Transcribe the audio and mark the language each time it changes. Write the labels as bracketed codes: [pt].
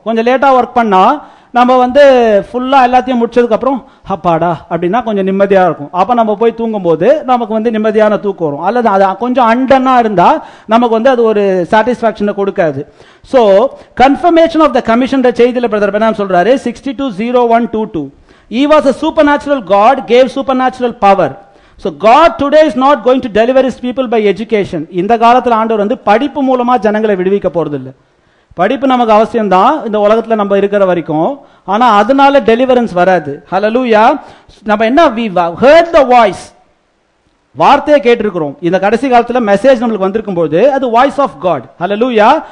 [ta] கொஞ்சம் லேட்டா ஒர்க் பண்ணா நம்ம வந்து ஃபுல்லா எல்லாத்தையும் முடிச்சதுக்கு அப்புறம் அப்பாடா அப்படின்னா கொஞ்சம் நிம்மதியா இருக்கும். அப்ப நம்ம போய் தூங்கும் போது நமக்கு வந்து நிம்மதியான தூக்கம் வரும். அல்லது அது கொஞ்சம் அண்டனா இருந்தா நமக்கு வந்து அது ஒரு சாட்டிஸ்பாக்சனை கொடுக்காது. So confirmation of the commission செய்தியில பிரதர் பெனான் சொல்றாரு 620122. [en] He was a supernatural God, gave supernatural power. So God today is not going to deliver his people by education. [ta] இந்த காலத்துல ஆண்டவர் வந்து படிப்பு மூலமா ஜனங்களை விடுவிக்க போறது இல்லை. படிப்பு நமக்கு அவசியம்தான் இந்த உலகத்துல நம்ம இருக்கிற வரைக்கும். ஆனா அதனால டெலிவரன்ஸ் வராது. ஹல்லேலூயா. நம்ம என்ன [en] heard the voice, [ta] வார்த்தையை கேட்டிருக்கிறோம். இந்த கடைசி காலத்துல மெசேஜ் நம்மளுக்கு வந்திருக்கும் போது அது [en] Voice of God. [ta] ஹல்லேலூயா.